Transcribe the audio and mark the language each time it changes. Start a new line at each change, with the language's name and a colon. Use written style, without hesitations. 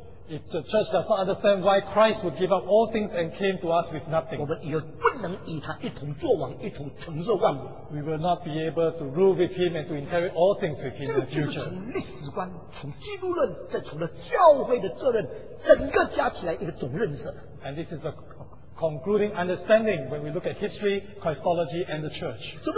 English: if the church does not understand why Christ would give up all things and came to us with nothing,
Chinese: 我们也不能与他一同作王一同承受万有,
English: we will not be able to rule with him and to inherit all things with him in the future.
Chinese: 从历史观, 从基督论, 再从了教会的责任, 整个加起来一个总认识,
English: and this is a concluding understanding when we look at history, Christology, and the church.